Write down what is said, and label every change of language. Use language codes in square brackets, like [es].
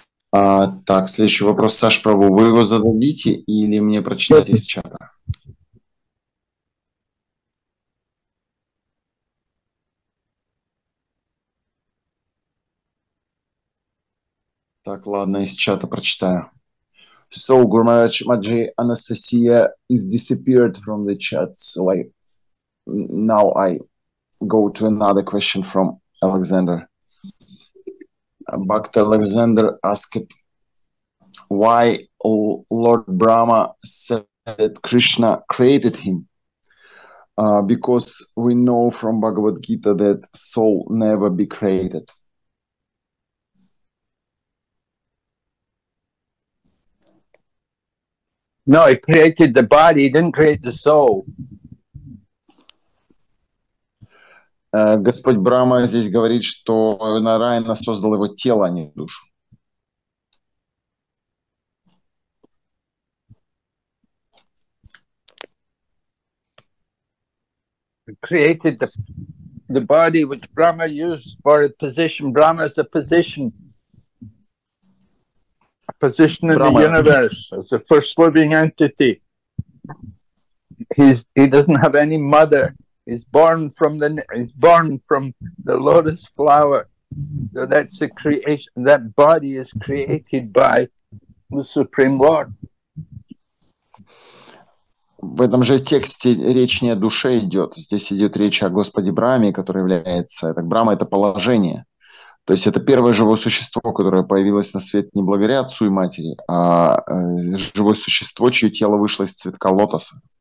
[ru] Так, следующий вопрос, Саш, Прабу, вы его зададите или мне прочитать из чата? Так, ладно, из чата прочитаю. [en] So, Guru Maharaj, Maji, Anastasia is disappeared from the chat. So, now I go to another question from Alexander. Bhakta Alexander asked, why Lord Brahma said that Krishna created him? Because we know from Bhagavad Gita that soul never be created. No, he created the body, he didn't create the soul. [ru] Господь Брама здесь говорит, что Нараяна создал его тело, а не душу. [en] He created the body which Brahma used for a position. Brahma is a position. Position in Brahma. The universe as the first living entity. He doesn't have any mother. He's born from the lotus flower. So that's the creation. That body is created by the Supreme Lord. [ru] В этом же тексте речь не о душе идет. Здесь идет речь о Господе Браме, который является. Так Брама это положение. То есть это первое живое существо, которое появилось на свет не благодаря отцу и матери, а живое существо, чье тело вышло из цветка лотоса.